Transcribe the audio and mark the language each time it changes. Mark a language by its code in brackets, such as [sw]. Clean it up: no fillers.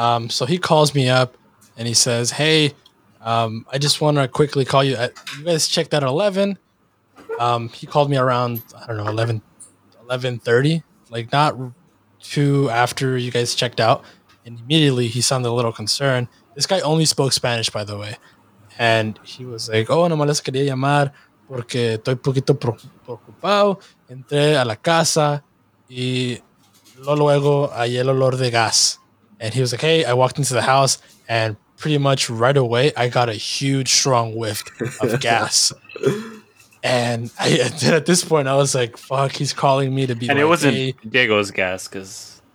[en] So he calls me up and he says, hey, I just want to quickly call you. You guys checked out at 11. He called me around, I don't know, 11:30. Like, not too after you guys checked out. And immediately he sounded a little concerned. This guy only spoke Spanish, by the way. And he was like, oh, [es] no más quería llamar porque estoy poquito preocupado. Entré a la casa y luego hallé el olor de gas. [en] And he was like, hey, I walked into the house and pretty much right away, I got a huge, strong whiff of gas. And I, at this point, I was like, fuck, he's calling me to be and like, and it wasn't Diego's gas because...